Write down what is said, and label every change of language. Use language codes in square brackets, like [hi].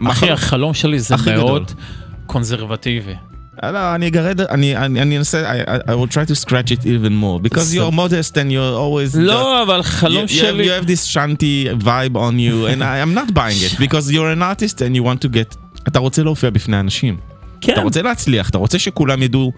[he] אחי, החלום שלי זה מאוד קונזרבטיבי. לא, אני אגרד, אני אנסה, [en] I will try to scratch it even more, because you're modest and you're always... [he] לא, אבל חלום שלי... [en] You have this shanty vibe on you, and I'm not buying it, because you're an artist and you want to get... [he] אתה רוצה להופיע בפני אנשים. כן. אתה רוצה להצליח, אתה רוצה שכולם ידעו...